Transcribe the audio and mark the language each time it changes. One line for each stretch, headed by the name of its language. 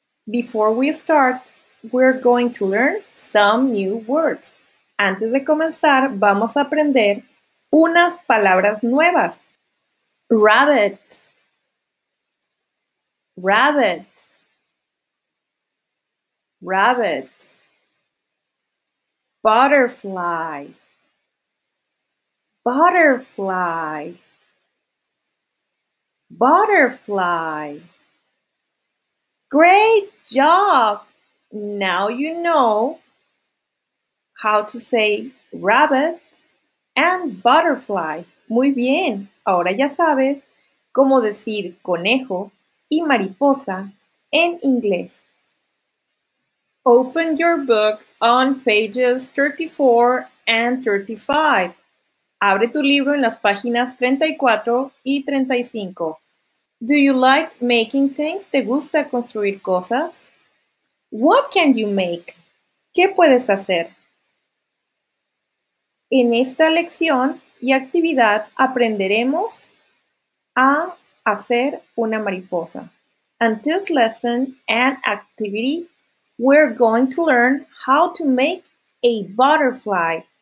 English: Before we start, we're going to learn some new words.
Spanish: Antes de comenzar, vamos a aprender unas palabras nuevas.
English: Rabbit. Rabbit. Rabbit. Butterfly. Butterfly, butterfly. Great job! Now you know how to say rabbit and butterfly.
Spanish: Muy bien, ahora ya sabes cómo decir conejo y mariposa en inglés.
English: Open your book on pages 34 and 35.
Spanish: Abre tu libro en las páginas 34 y 35.
English: Do you like making things?
Spanish: ¿Te gusta construir cosas?
English: What can you make?
Spanish: ¿Qué puedes hacer? En esta lección y actividad aprenderemos a hacer una mariposa.
English: In this lesson and activity, we're going to learn how to make a butterfly.